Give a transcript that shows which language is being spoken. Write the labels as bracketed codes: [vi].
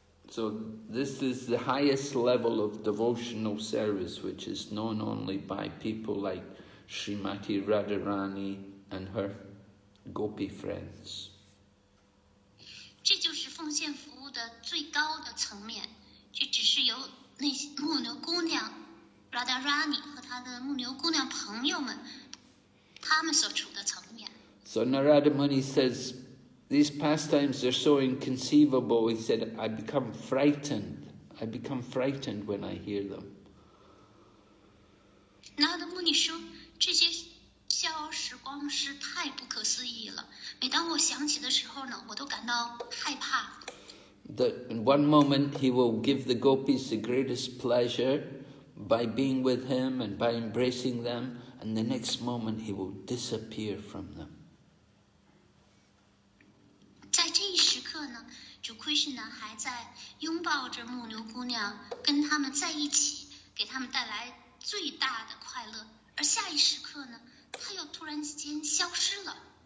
[en] So this is the highest level of devotional service, which is known only by people like Srimati Radharani and her gopi friends. [zh] 这就是奉献服务的最高的层面，这只是由那些牧牛姑娘 Radharani 和她的牧牛姑娘朋友们，他们所处的层面。 [en] So Narada Muni says,These pastimes are so inconceivable, he said, I become frightened when I hear them. [zh] Narada Muni 说这些逍遥时光是太不可思议了，每当我想起的时候呢，我都感到害怕。 [en] That in one moment he will give the gopis the greatest pleasure by being with him and by embracing them, and the next moment he will disappear from them. [zh] 在这一时刻呢，主 Krishna 还在拥抱着牧牛姑娘，跟他们在一起，给他们带来最大的快乐。而下一时刻呢，他又突然间消失了。